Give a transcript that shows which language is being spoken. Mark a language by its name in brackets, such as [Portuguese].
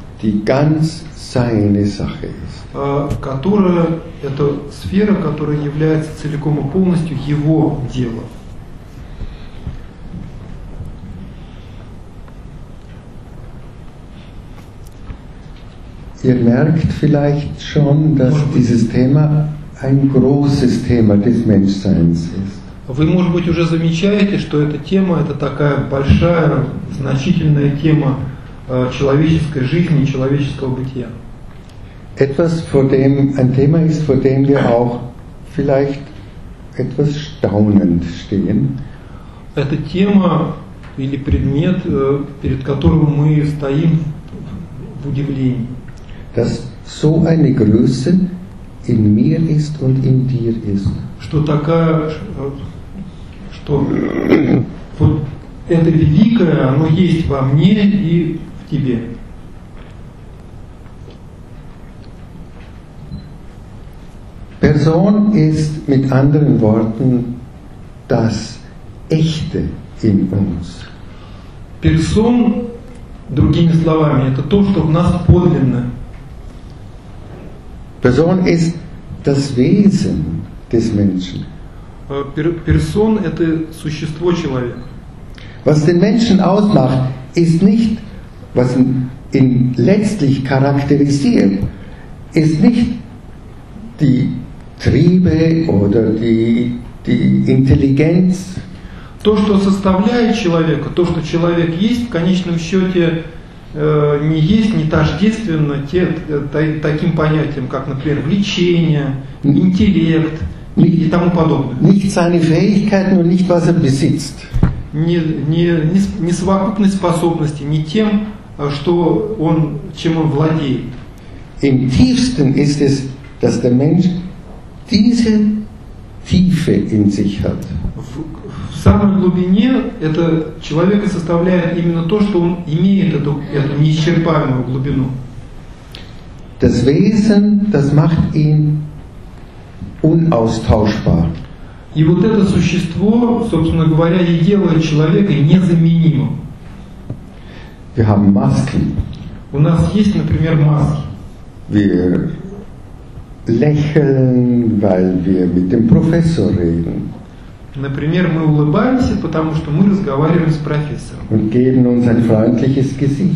[German] Die ganz seine Sache ist. [Russian] Которая это сфера, которая является целиком и полностью его делом. [German] Ihr merkt vielleicht schon, dass dieses Thema ein großes Thema des Menschseins ist. [Russian] Вы, может быть, уже замечаете, что эта тема – это такая большая, значительная тема человеческой жизни, человеческого бытия. [German] Etwas vor dem, ein Thema ist, vor dem wir auch vielleicht etwas staunend stehen. [Russian] Эта тема или предмет, перед которым мы стоим в удивлении. [German] Dass so eine Größe in mir ist und in dir ist. [Russian] Что такая, что вот это великое, оно есть во мне и в тебе. [German] Person ist mit anderen Worten das Echte in uns. [Russian] Person, другими словами, это то, что в нас подлинное. [German] Person ist das Wesen des Menschen. [Russian] Person – это существо человека. [German] Was den Menschen ausmacht, ist nicht, was ihn letztlich charakterisiert, ist nicht die Triebe oder die Intelligenz. [Russian] То, что составляет человека, то, что человек есть, в конечном счете не есть, не тождественно таким понятиям, как, например, влечение, интеллект и тому подобное. [German] Nicht seine Fähigkeiten und nicht was er besitzt. [Russian] Не совокупность способностей, не тем, что он, чем он владеет. [German] Im tiefsten ist es, dass der Mensch diese Tiefe in sich hat. [Russian] В самой глубине это человека составляет именно то, что он имеет эту неисчерпаемую глубину. [German] Das Wesen, das macht ihn unaustauschbar. [Russian] И вот это существо, собственно говоря, и делает человека незаменимым. [German] Wir haben Masken. [Russian] У нас есть, например, маски. [German] Wir lächeln, weil wir mit dem Professor reden. [Russian] Например, мы улыбаемся, потому что мы разговариваем с профессором. [German] Und geben uns ein freundliches Gesicht.